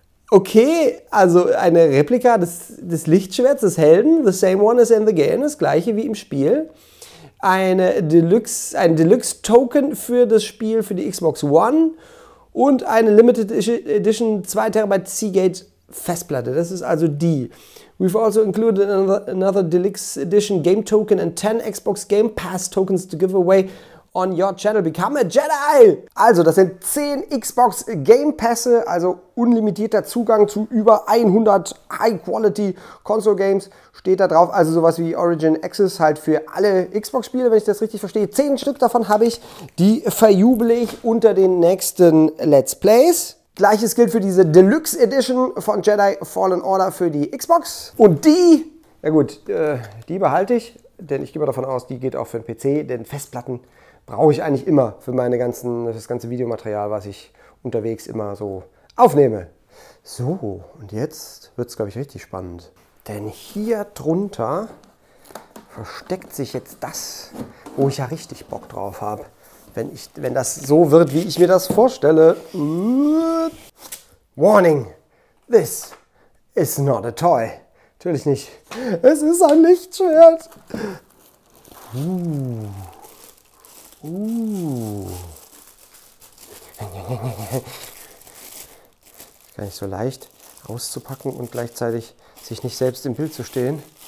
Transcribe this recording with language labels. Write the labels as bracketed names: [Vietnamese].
[German] Okay, also eine Replika des Lichtschwerts des Helden, [English] the same one as in the game, [German] das gleiche wie im Spiel. Ein Deluxe-Token für das Spiel für die Xbox One und eine Limited Edition 2 TB Seagate Festplatte. Das ist also die. [English] We've also included another Deluxe Edition Game Token and 10 Xbox Game Pass Tokens to give away on your channel, become a Jedi! [German] Also, das sind 10 Xbox Game Pässe, also unlimitierter Zugang zu über 100 High-Quality Console Games, steht da drauf. Also sowas wie Origin Access halt für alle Xbox-Spiele, wenn ich das richtig verstehe. 10 Stück davon habe ich, die verjubele ich unter den nächsten Let's Plays. Gleiches gilt für diese Deluxe Edition von Jedi Fallen Order für die Xbox. Und die, ja gut, die behalte ich, denn ich gehe mal davon aus, die geht auch für den PC, denn Festplatten brauche ich eigentlich immer für meine ganzen, das ganze Videomaterial, was ich unterwegs immer so aufnehme. So, und jetzt wird es, glaube ich, richtig spannend. Denn hier drunter versteckt sich jetzt das, wo ich ja richtig Bock drauf habe. Wenn das so wird, wie ich mir das vorstelle. [English] Warning, this is not a toy. [German] Natürlich nicht. Es ist ein Lichtschwert. Gar nicht so leicht auszupacken und gleichzeitig sich nicht selbst im Bild zu stehen.